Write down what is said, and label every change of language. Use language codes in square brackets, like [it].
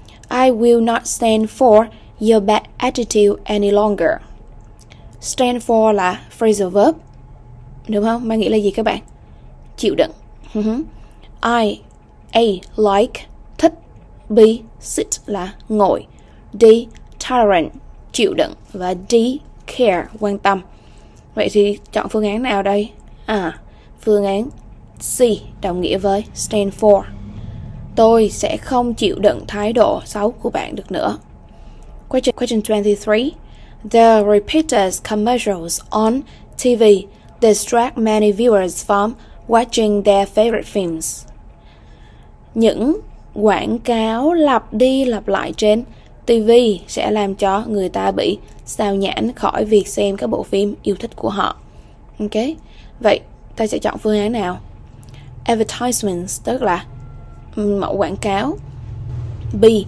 [en] I will not stand for your bad attitude any longer. [vi] Stand for là phrasal verb, đúng không? Mang nghĩa là gì các bạn? Chịu đựng. I, A, like, thích. B, sit là ngồi. D, tolerant, chịu đựng. Và D, care, quan tâm. Vậy thì chọn phương án nào đây? À, phương án C đồng nghĩa với stand for. Tôi sẽ không chịu đựng thái độ xấu của bạn được nữa. [en] Question 23. The repeated commercials on TV distract many viewers from watching their favorite films. [vi] Những quảng cáo lặp đi lặp lại trên TV sẽ làm cho người ta bị sao nhãn khỏi việc xem các bộ phim yêu thích của họ. Ok. Vậy ta sẽ chọn phương án nào? Advertisements, tức là mẫu quảng cáo. B.